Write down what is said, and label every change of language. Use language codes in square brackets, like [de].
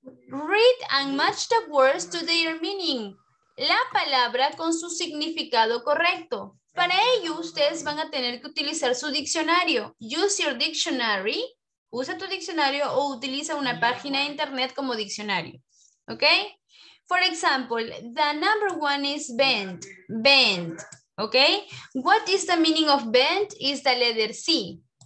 [en] Read and match the words to their meaning. [es] La palabra con su significado correcto. Para ello, ustedes van a tener que utilizar su diccionario. [en] Use your dictionary. [es] Usa tu diccionario o utiliza una página de internet como diccionario. [en] Ok. For example, the number one is bent. Bent. Okay, what is the meaning of bent? Is the letter C.